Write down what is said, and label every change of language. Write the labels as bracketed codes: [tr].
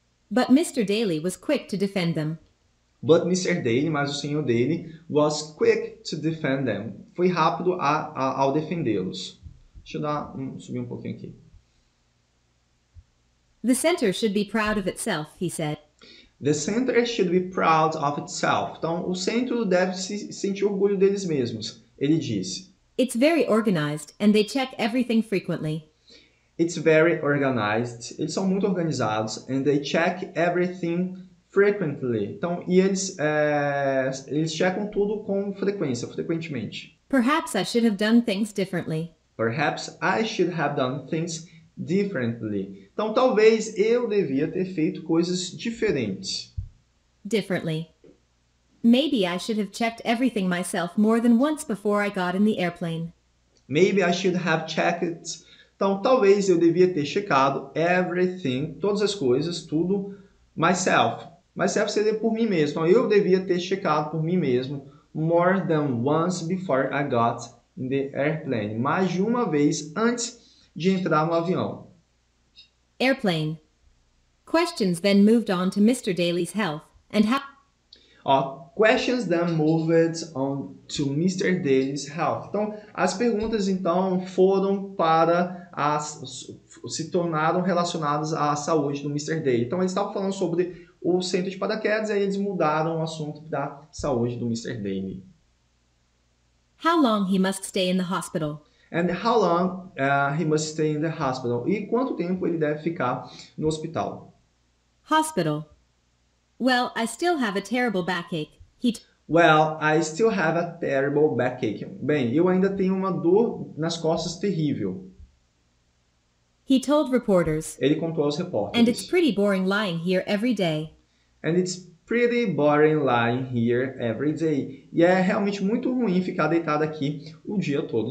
[en] But Mr. Daly was quick to defend them. But Mr. Daly, [pt] mas o Sr. Daly, [en] was quick to defend them. [pt] Foi rápido ao defendê-los. Deixa eu subir um pouquinho aqui. [en] The center should be proud of itself, he said. The center should be proud of itself. [pt] Então, o centro deve se sentir orgulho deles mesmos, ele disse. [en] It's very organized and they check everything frequently. It's very organized. [pt] Eles são muito organizados [en] and they check everything frequently. [pt] Então, e eles checam tudo com frequência, frequentemente. [en] Perhaps I should have done things differently. Perhaps I should have done things differently. [pt] Então, talvez eu devia ter feito coisas diferentes. [en] Differently. Maybe I should have checked everything myself more than once before I got in the airplane. Maybe I should have checked. [pt] Então, talvez eu devia ter checado everything, todas as coisas, tudo, myself. Myself seria por mim mesmo. Então, eu devia ter checado por mim mesmo [en] more than once before I got in the airplane, [pt] mais de uma vez antes de entrar no avião. [en] Airplane. Questions then moved on to Mr. Daly's health and questions then moved on to Mr. Daly's health. [pt] Então, as perguntas então foram para as se tornaram relacionadas à saúde do Mr. Daly. Então, eles estavam falando sobre o centro de paraquedas e aí eles mudaram o assunto da saúde do Mr. Daly. [en] How long he must stay in the hospital? And how long he must stay in the hospital? [pt] E quanto tempo ele deve ficar no hospital? [en] Hospital. Well, I still have a terrible backache. Well, I still have a terrible backache. [pt] Bem, eu ainda tenho uma dor nas costas terrível. [en] He told reporters. [pt] Ele contou aos repórteres. [en] And it's pretty boring lying here every day. And it's pretty boring lying here every day. [pt] E é realmente muito ruim ficar deitado aqui o dia todo.